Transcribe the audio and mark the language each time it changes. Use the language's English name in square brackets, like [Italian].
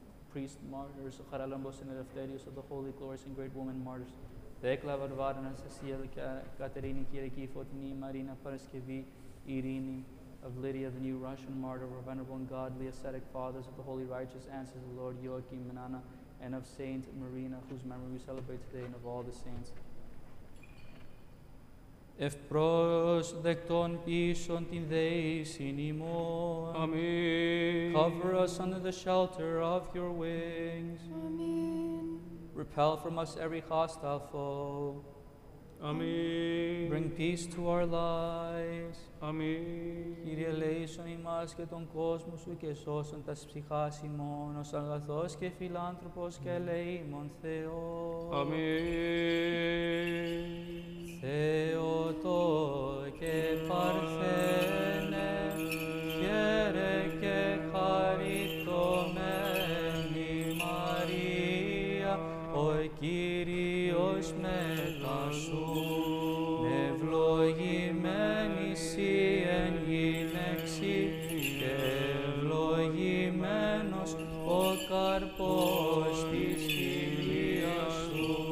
[English] priest martyrs, Charalambos and Eleftherios, of the holy glorious and great woman martyrs, Thecla, Varvarana, Cecile, Katerini, Kiriki, Fotini, Marina, Paraskevi, Irini, of Lydia, the new Russian martyr, of our venerable and godly ascetic fathers, of the holy righteous ancestors, of Lord Joachim Manana, and of Saint Marina, whose memory we celebrate today, and of all the saints. [Greek] Ευ προσδεκτών πίσων την δέησιν ημών. Αμήν. [English] Cover us under the shelter of your wings. [Greek] Αμήν. [English] Repel from us every hostile foe. [Greek] Αμήν. [English] Bring peace to our lives. [Greek] Αμήν. Κύριε ελέησον ημάς και τον κόσμο σου και σώσον τας ψυχάς ημών, ως αγαθός και φιλάνθρωπος και ελεήμων Θεός. Αμήν. Θεότο και Παρθένε, χαίρε και χαριτωμένη Μαρία, ο Κύριος μετά σου, ευλογημένη σοι εν γυναίξη και ευλογημένος ο καρπός της κοιλίας σου.